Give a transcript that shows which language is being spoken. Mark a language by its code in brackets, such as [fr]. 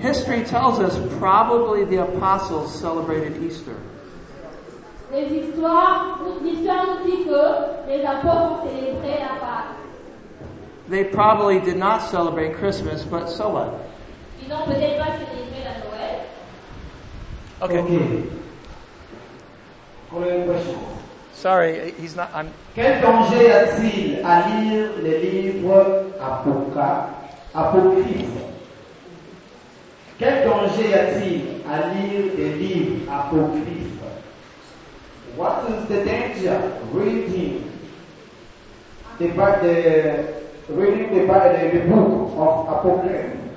[en] History tells us probably the apostles celebrated Easter. [fr] Les histoires nous disent que les apôtres célébraient la Pâque. [en] They probably did not celebrate Christmas, but so what? [fr] Ils n'ont peut-être pas célébré la Noël. [en] Okay. Sorry, he's not. I'm. [fr] Quel danger a-t-il à lire les livres apocryphes? Quel danger a-t-il à lire les livres apocryphes? [en] What is the danger reading the book of apocryphes?